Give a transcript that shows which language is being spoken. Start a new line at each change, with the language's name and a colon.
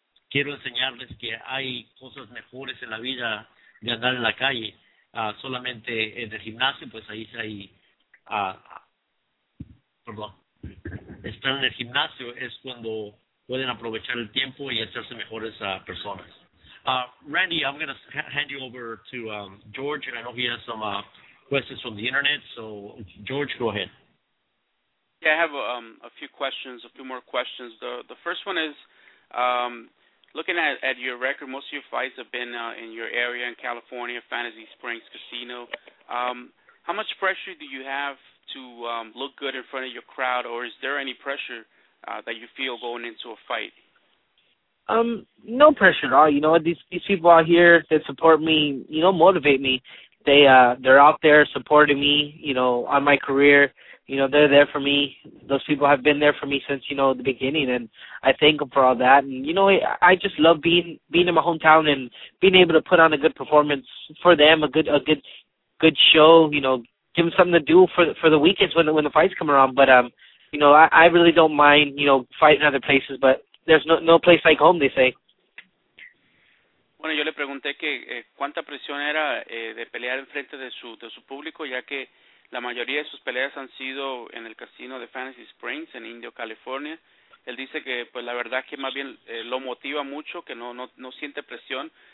Spanish: Quiero enseñarles que hay cosas mejores en la vida de andar en la calle, solamente en el gimnasio, pues ahí sí hay, perdón, estar en el gimnasio es cuando pueden aprovechar el tiempo y hacerse mejores personas.
English: Randy, I'm going to hand you over to George, and I know he has some questions from the internet, so George, go ahead. Yeah, I have a few more questions. The first one is, looking at your record, most of your fights have been in your area in California, Fantasy Springs Casino. How much pressure do you have to look good in front of your crowd, or is there any pressure that you feel going into a fight? No pressure at all. You know, these people out here that support me, you know, motivate me. They're out there supporting me, you know, on my career. You know, they're there for me. Those people have been there for me since, you know, the beginning, and I thank them for all that. And, you know, I just love being in my hometown and being able to put on a good performance for them, a good show, you know, give them something to do for the weekends when the fights come around. But, you know, I really don't mind, you know, fighting other places, but there's no place like home, they say.
Spanish: Bueno, yo le pregunté que cuánta presión era de pelear en frente de su público, ya que la mayoría de sus peleas han sido en el casino de Fantasy Springs, en Indio, California. Él dice que, pues, la verdad es que más bien lo motiva mucho, que no siente presión.